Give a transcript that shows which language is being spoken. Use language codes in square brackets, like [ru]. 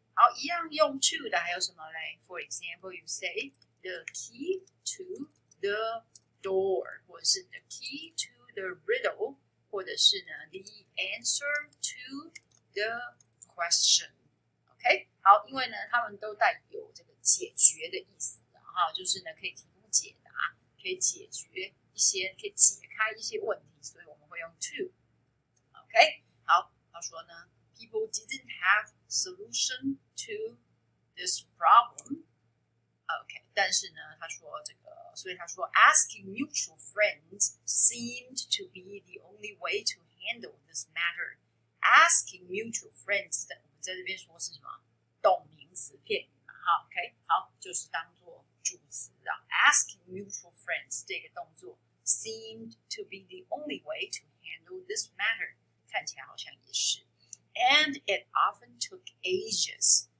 [zh] 好，一样用 to 的还有什么嘞？ [en] For example, you say the key to the door, [zh] 或者是 [en] the key to the riddle, [zh] 或者是呢 [en] the answer to the question. [zh] OK, 好，因为呢他们都带有这个解决的意思的哈，就是呢可以提供解答，可以解决一些，可以解开一些问题，所以我们会用 to. [en] OK, [zh] 好，他说呢 [en] people didn't have solution to this problem. OK, [zh] 但是呢他说这个所以他说 [en] asking mutual friends seemed to be the only way to handle this matter. Asking mutual friends, [zh] 我们在这边说是什么？动名词片语嘛，好 ，OK， 好，就是当作主词啊。 [en] Asking mutual friends [zh] 这个动作 [en] seemed to be the only way to handle this matter. [zh] 看起来好像也是。 [en] And it often took ages.